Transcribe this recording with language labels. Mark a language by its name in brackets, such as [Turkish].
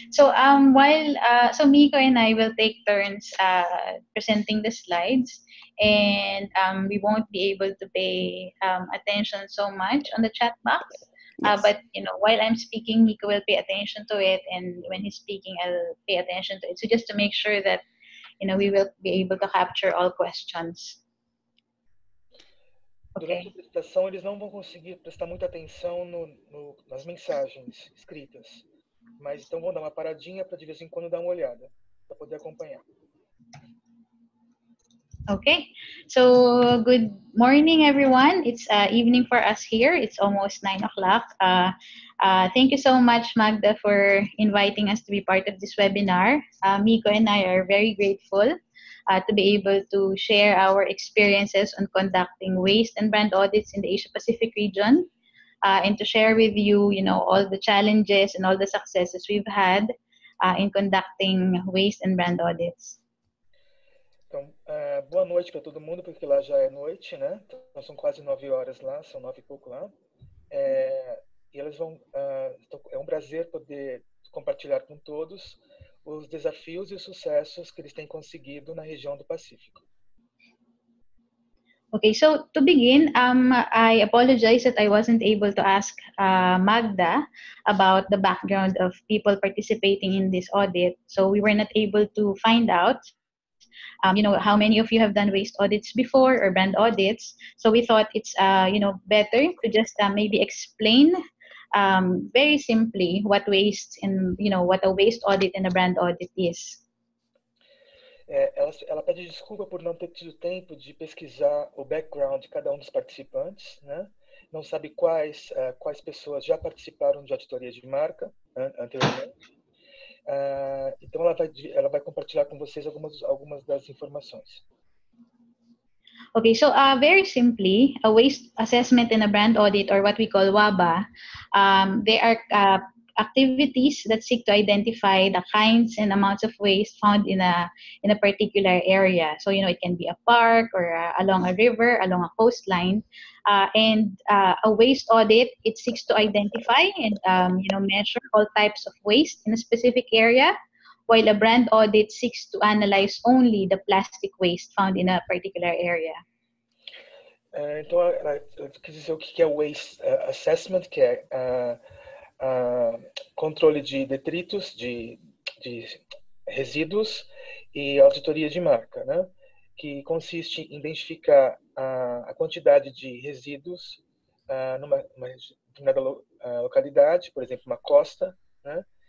[English] So while Miko and I will take turns presenting the slides, and we won't be able to pay attention so much on the chat box. Yes. But you know, while I'm speaking, Miko will pay attention to it, and when he's speaking, I'll pay attention to it. So just to make sure that you know we will be able to capture all questions. [Portuguese] Durante a apresentação, eles não vão conseguir prestar muita atenção nas mensagens escritas. Mas então vão dar uma paradinha para de vez em quando dar uma olhada, para poder acompanhar. [English] Ok. So, good morning, everyone. It's evening for us here. It's almost 9 o'clock. Thank you so much, Magda, for inviting us to be part of this webinar. Miko and I are very grateful to be able to share our experiences on conducting waste and brand audits in the Asia-Pacific region and to share with you, you know, all the challenges and all the successes we've had in conducting waste and brand audits. [Portuguese] Então, boa noite para todo mundo, porque lá já é noite, né? Então, são quase 9 horas lá, são 9 e pouco lá. E eles vão... é um prazer poder compartilhar com todos os desafios e os sucessos que eles têm conseguido na região do Pacífico. [English] Okay, so to begin, I apologize that I wasn't able to ask Magda about the background of people participating in this audit. So we were not able to find out, you know, how many of you have done waste audits before or brand audits. So we thought it's, you know, better to just maybe explain very simply what waste and, you know, what a waste audit and a brand audit is. [Portuguese] Ela pede desculpa por não ter tido tempo de pesquisar o background de cada um dos participantes, né? Não sabe quais pessoas já participaram de auditoria de marca anteriormente. Então ela vai compartilhar com vocês algumas das informações. [English] Okay, so very simply, a waste assessment and a brand audit, or what we call WABA, they are activities that seek to identify the kinds and amounts of waste found in a particular area. So, you know, it can be a park or along a river, along a coastline. And a waste audit, it seeks to identify and, you know, measure all types of waste in a specific area, while a brand audit seeks to analyze only the plastic waste found in a particular area. [Portuguese] Então, eu quis dizer o que é waste assessment, que é controle de detritos, de resíduos e auditoria de marca, né? Que consiste em identificar a quantidade de resíduos numa determinada localidade, por exemplo, uma costa, né?